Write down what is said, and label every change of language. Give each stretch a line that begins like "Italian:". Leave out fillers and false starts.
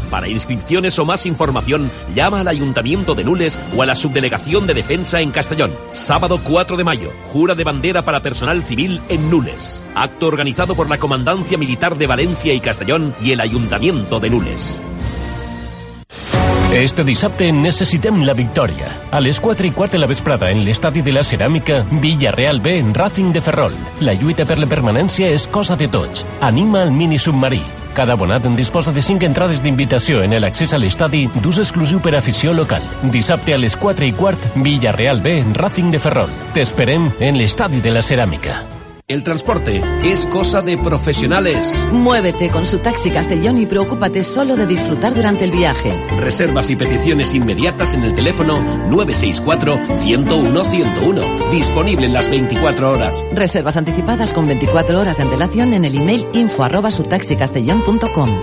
Spanish: Para inscripciones o más información, llama al Ayuntamiento de Nules o a la Subdelegación de Defensa en Castellón. Sábado 4 de mayo, jura de bandera para personal civil en Nules. Acto organizado por la Comandancia Militar de Valencia y Castellón y el Ayuntamiento de Nules.
Catalan: Este dissabte necessitem la victòria. A les 4 i quart de la vesprada en l'Estadi de la Ceràmica, Villarreal B, Racing de Ferrol. La lluita per la permanència és cosa de tots. Anima el mini submarí. Cada abonat en disposa de 5 entrades d'invitació en l'accés a l'estadi d'ús exclusiu per a afició local. Dissabte a les 4 i quart, Villarreal B, Racing de Ferrol. T'esperem en l'Estadi de la Ceràmica.
Spanish: El transporte es cosa de profesionales. Muévete con su taxi Castellón y preocúpate solo de disfrutar durante el viaje. Reservas y peticiones inmediatas en el teléfono 964-101-101. Disponible en las 24 horas. Reservas anticipadas con 24 horas de antelación en el email info@sutaxicastellon.com.